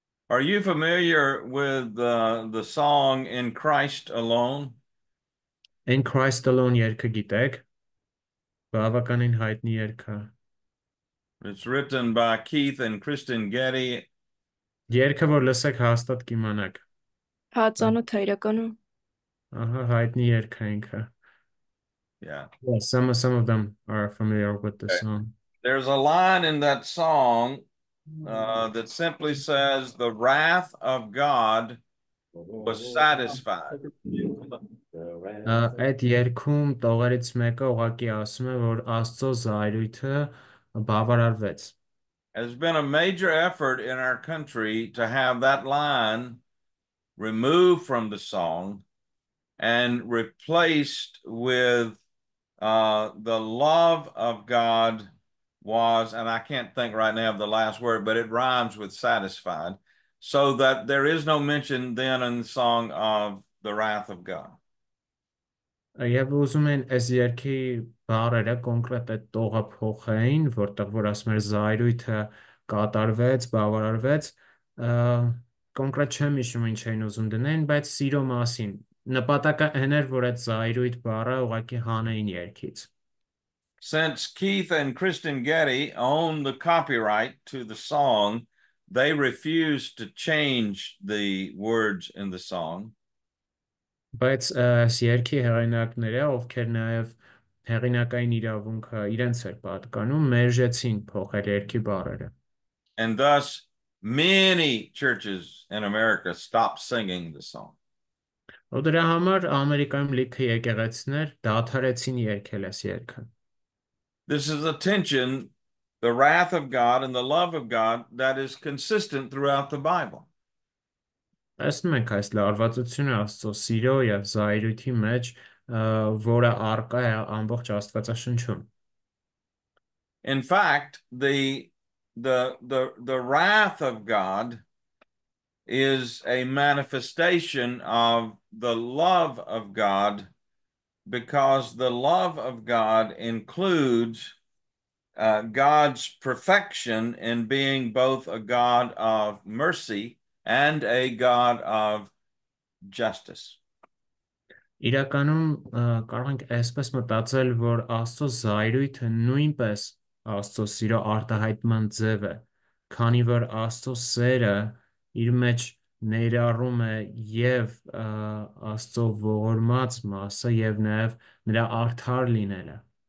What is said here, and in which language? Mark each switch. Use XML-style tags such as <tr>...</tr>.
<en>Are you familiar with the song In Christ Alone?</en> <hy>In Christ Alone երգը գիտեք? Բավականին հայտնի երգ է.</hy> <en>It's written by Keith and Kristen Getty.</en> <hy>Երգը որ լսեք հաստատ կիմանաք. Հածանոթ է իրականում. Ահա հայտնի երգ է ինքը.</hy> <en>Yeah. Yeah, some of them are familiar with the song. There's a line in that song that simply says the wrath of God was satisfied.</en> <hy>Այդ երգում տողերից մեկը ուղակի ասում է, որ Աստծո զայրույթը բավարարվեց.</hy> <en>There's been a major effort in our country to have that line removed from the song and replaced with the love of God was, and I can't think right now of the last word, but it rhymes with satisfied, so that there is no mention then in the song of the wrath of God.</en> <hy>Եվ ուզում են այս երգի բառերը կոնկրետ այդ տողը փոխեին, որտեղ որ ասում էր զայրույթը կատարվեց, բավարարվեց, կոնկրետ չեմ հիշում ինչ էին ուզում դնեին, բայց սիրո մասին, նպատակը այն էր, որ այդ զայրույթ բառը ուղղակի հանեին երգից.</hy> <en>Since Keith and Kristen Getty own the copyright to the song, they refused to change the words in the song.</en> <hy>But Sierki հեղինակները, ովքեր նաև հեղինակային իրավունքը իրենց էր պատկանում, մերժեցին փոխել երգի բառերը.</hy> <en>And thus many churches in America stopped singing the song.</en> <hy>Ու դրա համար Ամերիկայում լիքը եկեղեցիներ դադարեցին երգել այս երգը.</hy> <en>This is a tension, the wrath of God and the love of God that is consistent throughout the Bible.</en> <hy>Տեսնում ենք այս լարվածությունը Աստծո սիրո եւ զայրույթի մեջ, որը առկա է ամբողջ Աստվածաշնչում։</hy> <en>In fact, the wrath of God is a manifestation of the love of God, because the love of God includes God's perfection in being both a God of mercy and a God of justice.</en> <hy>Իրականում կարող ենք այսպես մտածել, որ Աստծո զայրույթը նույնպես Աստծո սիրո արտահայտման ձև է, քանի որ Աստծո սերը իր մեջ ներառում է եւ Աստծո ողորմած մասը եւ նաեւ նրա արդար լինելը։</hy>